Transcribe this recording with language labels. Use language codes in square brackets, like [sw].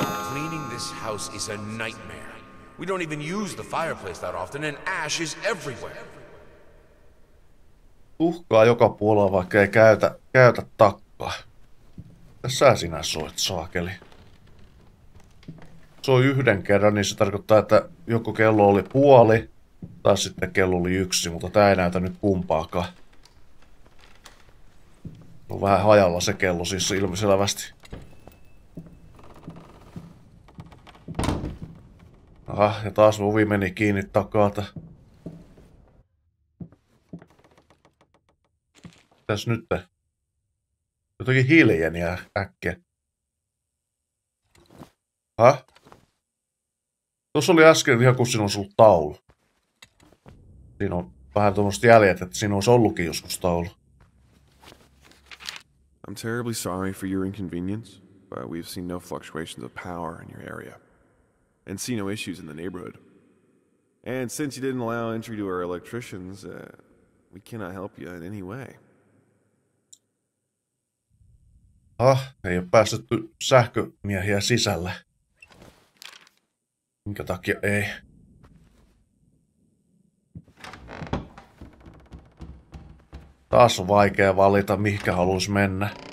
[en] Cleaning this house is a nightmare. We don't even use the fireplace that often and ash is everywhere. [fi] Tuhkaa joka puolella, vaikka ei käytä takkaa. Tässä sinä soit, saakeli. Soi yhden kerran, niin se tarkoittaa, että joko kello oli puoli, tai sitten kello oli yksi, mutta tää ei näytä nyt kumpaakaan. On vähän hajalla se kello siis ilmiselvästi. Aha, ja taas ovi meni kiinni takaa. Mitäs nyt? Jotakin hiilijäniä äkkiä. Ha? Tuossa oli äsken ihan kun siinä olisi ollut taulu. Siinä on vähän tuommoiset jäljet, että siinä olisi ollutkin joskus taulu. [en] I'm terribly sorry for your inconvenience, but we've seen no fluctuations of power in your area. And see no issues in the neighborhood. And since you didn't allow entry to our electricians, we cannot help you in any way. [fi] Ah, ei ole päästetty sähkömiehiä sisälle. Minkä takia ei? Taas on vaikea valita, mihinkä haluaisi mennä.